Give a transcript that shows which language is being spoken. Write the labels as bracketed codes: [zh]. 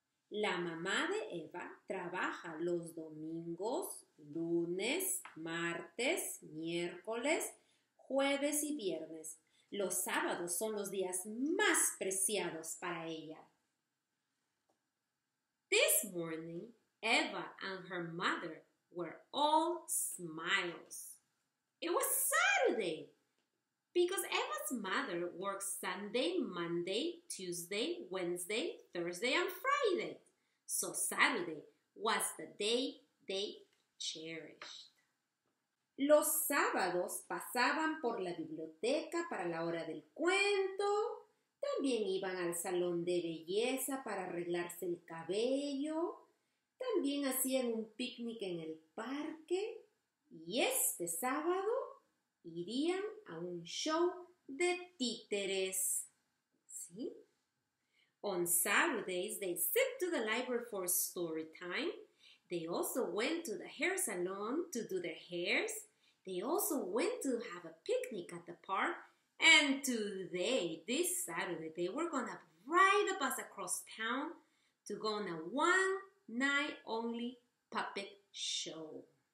[es] La mamá de Eva trabaja los domingos, lunes, martes, miércoles, jueves y viernes. Los sábados son los días más preciados para ella. [en] This morning, Eva and her mother were all smiles. It was Saturday, because Eva's mother works Sunday, Monday, Tuesday, Wednesday, Thursday, and Friday. So Saturday was the day they cherished. [es] Los sábados pasaban por la biblioteca para la hora del cuento. También iban al salón de belleza para arreglarse el cabello. También hacían un picnic en el parque. Y este sábado irían a un show de títeres. ¿Sí? [en] On Saturdays, they sit to the library for story time. They also went to the hair salon to do their hairs. They also went to have a picnic at the park, and today, this Saturday, they were going to ride a bus across town to go on a one-night-only puppet show.